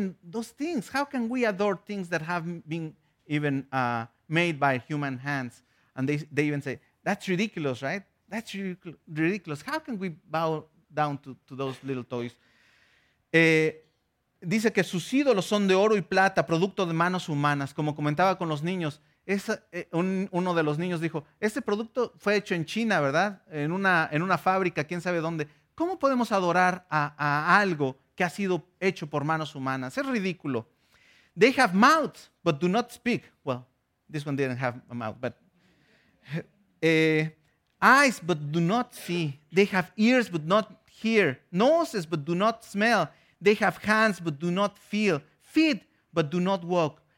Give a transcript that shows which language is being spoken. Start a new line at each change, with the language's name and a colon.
English: Those things. How can we adore things that have been even made by human hands? And they even say, that's ridiculous, right? That's ridiculous. How can we bow down to those little toys?
Spanish: Dice que sus ídolos son de oro y plata, producto de manos humanas. Como comentaba con los niños, uno de los niños dijo, este producto fue hecho en China, ¿verdad? En una fábrica, quién sabe dónde. ¿Cómo podemos adorar a algo que ha sido hecho por manos humanas? Es ridículo.
English: They have mouths, but do not speak. Well, this one didn't have a mouth, but... eyes, but do not see. They have ears, but not hear. Noses, but do not smell. They have hands, but do not feel. Feet, but do not walk.